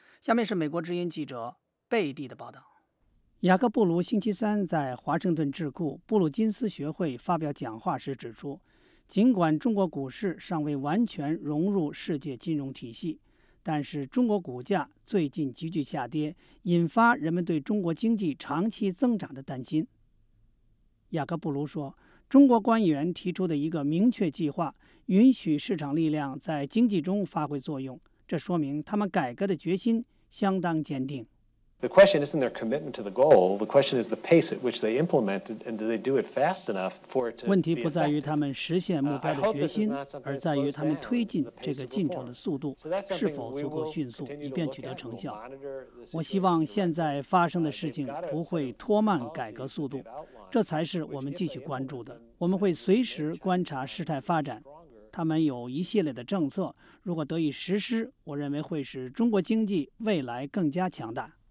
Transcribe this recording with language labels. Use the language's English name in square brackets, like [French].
[Chinese] 下面是美国之音记者贝蒂的报道。雅各布·卢星期三在华盛顿智库布鲁金斯学会发表讲话时指出，尽管中国股市尚未完全融入世界金融体系，但是中国股价最近急剧下跌，引发人们对中国经济长期增长的担心。雅各布·卢说，中国官员提出的一个明确计划，允许市场力量在经济中发挥作用，这说明他们改革的决心相当坚定。 [English] The question isn't their commitment to the goal. The question is the pace at which they implemented, and do they do it fast enough for it to be effective? [Chinese] 问题不在于他们实现目标的决心，而在于他们推进这个进程的速度是否足够迅速，以便取得成效。我希望现在发生的事情不会拖慢改革速度，这才是我们继续关注的。我们会随时观察事态发展。他们有一系列的政策，如果得以实施，我认为会使中国经济未来更加强大。